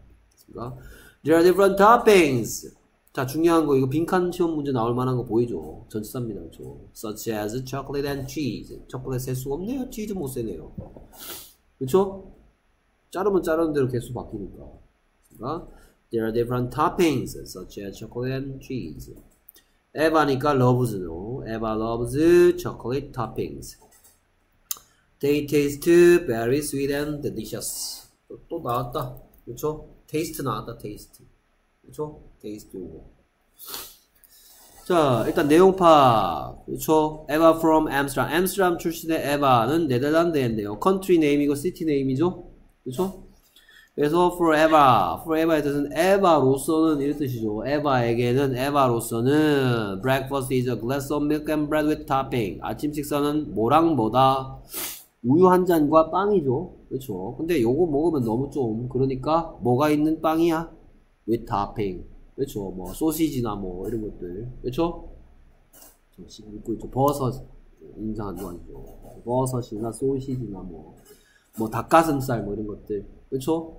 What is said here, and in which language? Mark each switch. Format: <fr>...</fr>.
<ko>됐습니까?</ko> <en>There are different toppings.</en> <ko>자, 중요한 거, 이거 빈칸 시험 문제 나올 만한 거 보이죠? 전치사입니다, 그쵸?</ko> <en>Such as chocolate and cheese.</en> <ko>초콜릿 셀 수가 없네요? 치즈 못 세네요. 그쵸? 자르면 자르는 대로 개수 바뀌니까. 그니까?</ko> <en>There are different toppings, such as chocolate and cheese.</en> <ko>에바니까</ko> <en>loves죠. Eva loves chocolate toppings. They taste very sweet and delicious.</en> <ko>또 나왔다. 그쵸? taste 나왔다, taste. 그쵸? taste 요거. 자, 일단 내용 파악. 그렇죠?</ko> <en>Eva from Amsterdam.</en> <ko>Amsterdam 출신의 에바는 네덜란드였네요. Country name이고 city name이죠? 그렇죠? 그래서 forever. forever의 뜻은 에바로서는 이런 뜻이죠. 에바에게는 에바로서는</ko> <en>breakfast is a glass of milk and bread with topping.</en> <ko>아침 식사는 뭐랑 뭐다? 우유 한 잔과 빵이죠. 그렇죠? 근데 요거 먹으면 너무 좀 그러니까 뭐가 있는 빵이야?</ko> <en>with topping.</en> <ko>그렇죠. 뭐 소시지나 뭐 이런 것들. 그렇죠? 지금 읽고 있죠. 버섯 인상한 거 아니죠. 버섯이나 소시지나 뭐 닭가슴살 뭐 이런 것들. 그렇죠?</ko>